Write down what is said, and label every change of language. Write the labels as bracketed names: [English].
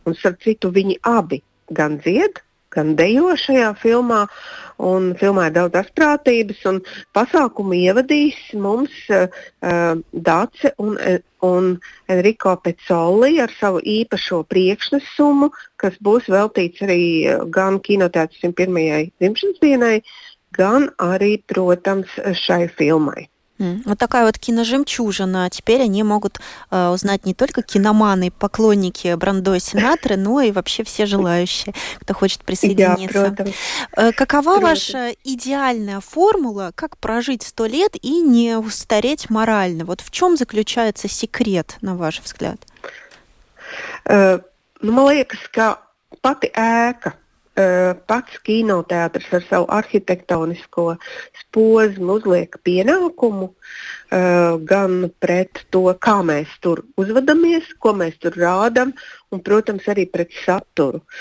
[Latvian] Un starp citu viņi abi gan dzied, gan dejo šajā filmā, un filmā ir daudz asprātības, un pasākumu ievadīs mums Dace un Enrico Pezzoli ar savu īpašo priekšnesumu, kas būs veltīts arī gan kinoteātra 101. Dzimšanas dienai, gan arī, protams, šai filmai. [Russian] Вот такая вот киножемчужина. Теперь они могут узнать не только киноманы, поклонники Брандо и Синатры, но и вообще все желающие, кто хочет присоединиться. Да, какова ваша идеальная формула, как прожить 100 лет и не устареть морально? Вот в чем заключается секрет, на ваш взгляд? Ну, малоекска, паты эка. [Latvian] Pats kinoteātrs ar savu arhitektonisko spozmu uzliek pienākumu gan pret to, kā mēs tur uzvedamies, ko mēs tur rādam, un, protams, arī pret saturu.